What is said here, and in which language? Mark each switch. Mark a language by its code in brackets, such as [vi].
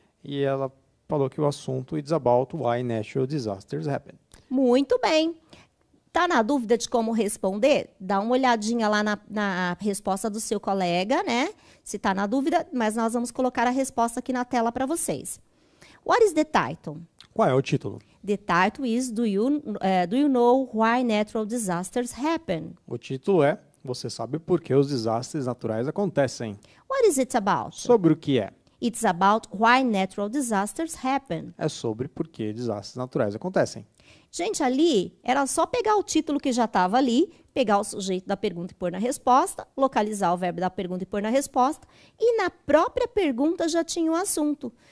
[pt] E ela falou que o assunto [en] is about why natural disasters happen. [pt] Muito bem. Tá na dúvida de como responder? Dá uma olhadinha lá na resposta do seu colega, né? Se está na dúvida, mas nós vamos colocar a resposta aqui na tela para vocês. [en] What is the title? [pt] Qual é o título? [en] The title is do you know why natural disasters happen? [pt] O título é Você sabe por que os desastres naturais acontecem? [en] What is it about? [pt] Sobre o que é? [en] It's about why natural disasters happen. [pt] É sobre por que desastres naturais acontecem. Gente, ali era só pegar o título que já estava ali, pegar o sujeito da pergunta e pôr na resposta, localizar o verbo da pergunta e pôr na resposta, e na própria pergunta já tinha o assunto.